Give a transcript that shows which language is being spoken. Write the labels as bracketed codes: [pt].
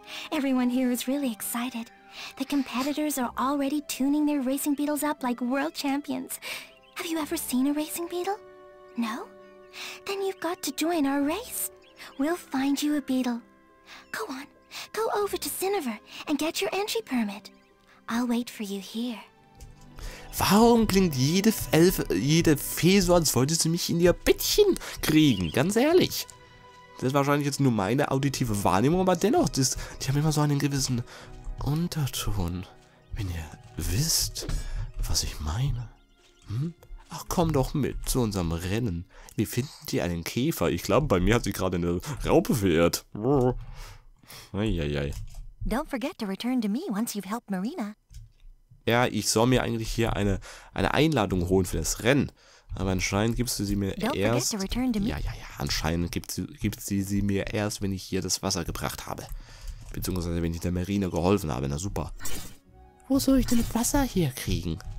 [en] Everyone here is really excited. The competitors are already tuning their racing beetles up like world champions. Have you ever seen a racing beetle? No? Then you've got to join our race. We'll find you a beetle. Go on, go over to Cinnaver and get your entry permit. I'll wait for you here. [de] Warum klingt jede Fee so, als wollte sie mich in ihr Bettchen kriegen? Ganz ehrlich. Das ist wahrscheinlich jetzt nur meine auditive Wahrnehmung, aber dennoch, die haben immer so einen gewissen Unterton. Wenn ihr wisst, was ich meine. Ach, komm doch mit zu unserem Rennen. Wir finden dir einen Käfer. Ich glaube, bei mir hat sie gerade eine Raupe verehrt. Eieiei. [en] Don't forget to return to me once you've helped Marina. [de] Ja, ich soll mir eigentlich hier eine Einladung holen für das Rennen. Aber anscheinend gibst du sie mir erst... Ja. Anscheinend gibt sie mir erst, wenn ich hier das Wasser gebracht habe. Beziehungsweise, wenn ich der Marina geholfen habe. Na super. Wo soll ich denn das Wasser herkriegen?